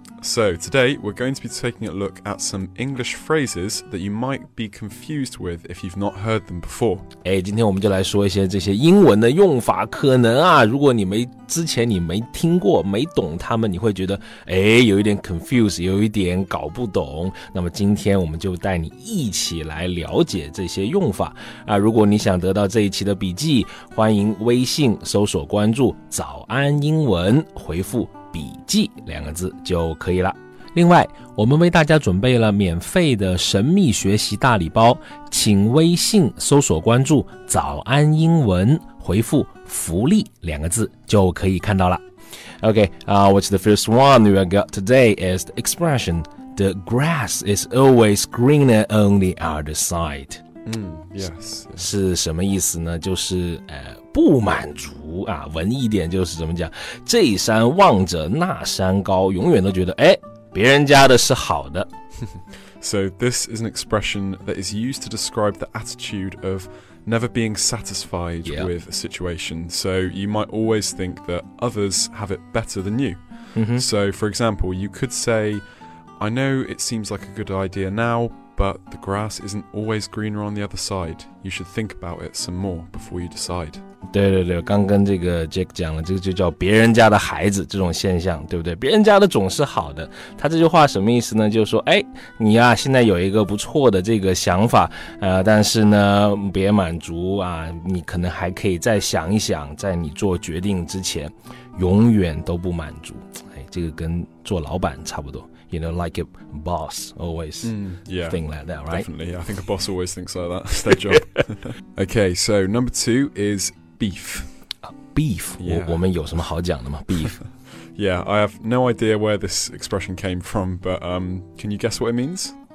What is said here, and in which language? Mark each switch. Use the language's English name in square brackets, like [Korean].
[English] So today we're going to be taking a look at some English phrases that you might be confused with if you've not heard them before. [Chinese] 哎，今天我们就来说一些这些英文的用法。可能啊，如果你没之前你没听过、没懂他们，你会觉得哎，有一点 confused， 有一点搞不懂。那么今天我们就带你一起来了解这些用法啊。如果你想得到这一期的笔记，欢迎微信搜索关注“早安英文”，回复。笔记两个字就可以了。另外，我们为大家准备了免费的神秘学习大礼包，请微信搜索关注“早安英文”，回复“福利”两个字就可以看到了。 [English] Okay, what's the first one we got today is the expression "the grass is always greener on the other side." Yes. [Chinese] 是什么意思呢？就是不满足啊，文艺点就是怎么讲，这山望着那山高，永远都觉得哎，别人家的是好的。 [English] So this is an expression that is used to describe the attitude of never being satisfied with a situation. So you might always think that others have it better than you. So for example, you could say, I know it seems like a good idea now, but the grass isn't always greener on the other side. You should think about it some more before you decide. [Chinese] 对对对，刚跟这个 Jack 讲了，这个就叫别人家的孩子这种现象，对不对？别人家的总是好的。他这句话什么意思呢？就是说，哎，你啊，现在有一个不错的这个想法，但是呢，别满足啊，你可能还可以再想一想，在你做决定之前，永远都不满足。哎，这个跟做老板差不多。 [English] You know, like a boss always think like that, right? Definitely, I think a boss always thinks like that. It's their job. Okay, so number two is beef. Beef? Yeah. [Chinese] 我们有什么好讲的吗 ?Beef. [English] Yeah, I have no idea where this expression came from, but can you guess what it means?